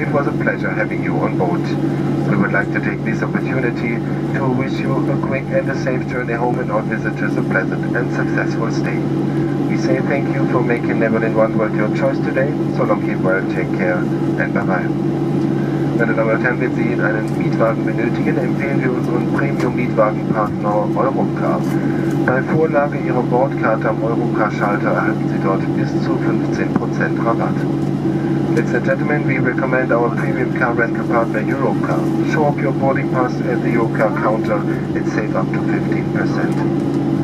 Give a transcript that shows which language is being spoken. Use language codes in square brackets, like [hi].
[en] It was a pleasure having you on board. We would like to take this opportunity to wish you a quick and a safe journey home and our visitors a pleasant and successful stay. We say thank you for making Evelyn Oneworld your choice today. So long, keep well, take care and bye-bye. [de] Meine Damen und Herren, wenn Sie einen Mietwagen benötigen, empfehlen wir unseren Premium-Mietwagenpartner Eurocar. Bei Vorlage Ihrer Bordkarte am Eurocar-Schalter erhalten Sie dort bis zu 15% Rabatt. [en] Ladies and gentlemen, we recommend our premium car rental partner Eurocar. Show up your boarding pass at the Eurocar counter and save up to 15%.